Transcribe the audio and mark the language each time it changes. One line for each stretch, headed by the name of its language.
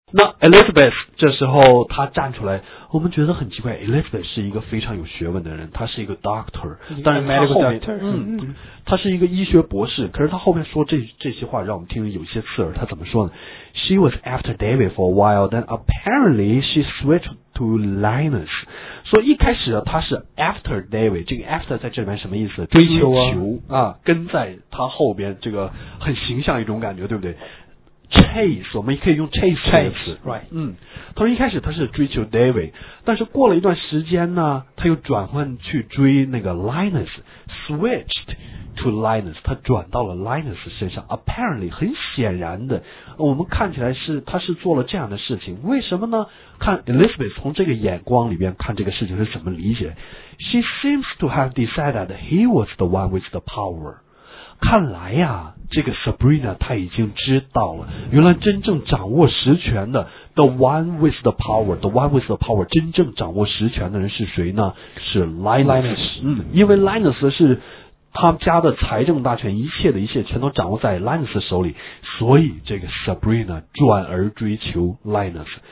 Chinese: 那 Elizabeth 这时候她站出来，我们觉得很奇怪， Elizabeth 是一个非常有学问的人，她是一个 doctor， 但是她后面她是一个医学博士，可是她后面说这些话让我们听得有些刺耳。她怎么说呢？
English: She was after David for a while, then apparently she switched to Linus。
Chinese: 所以一开始她是 after David， 这个 after 在这里面什么意思？追求啊，跟在她后边，这个很形象一种感觉，对不对？ Chase， 我们可以用 chase 这个词
English: ，right？
Chinese: 嗯，他说一开始他是追求 David， 但是过了一段时间呢，他又转换去追那个 Linus，
English: switched to Linus，
Chinese: 他转到了 Linus 身上。
English: Apparently，
Chinese: 很显然的，我们看起来是他是做了这样的事情。为什么呢？看 Elizabeth 从这个眼光里边看这个事情是怎么理解 ？
English: She seems to have decided that he was the one with the power。
Chinese: 看来呀，这个 Sabrina 他已经知道了，原来真正掌握实权的
English: the one with the power
Chinese: 真正掌握实权的人是谁呢？是 Linus。嗯，因为 Linus 是他家的财政大权，一切的一切全都掌握在 Linus 手里，所以这个 Sabrina 转而追求 Linus。